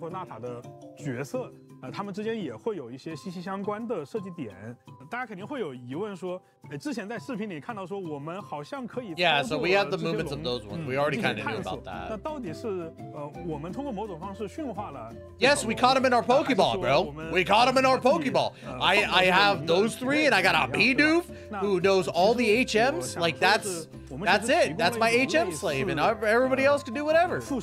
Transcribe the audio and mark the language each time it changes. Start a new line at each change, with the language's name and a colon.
Chinese: 其实就是包括这条飞行的龙在内啊，纳塔所有的玩家看到的这种不同形态的龙，他们各自都会有一套独特的探索机制。那这个探索机制呢，和刚才这个问题里面我们提及的，包括纳塔的角色。他们之间也会有一些息息相关的设计点，大家肯定会有疑问说，之前在视频里看到说我们好像可以，so
English: we have the movements of those ones. We already kind of knew about that.
Chinese: 那到底是我们通过某种方式驯化了？Yes,
English: we caught him in our Pokeball, bro. We caught him in our Pokeball. I have those three, and I got a Bidoof who knows all the HMs. Like that's it. That's my HM slave, and everybody else can do whatever.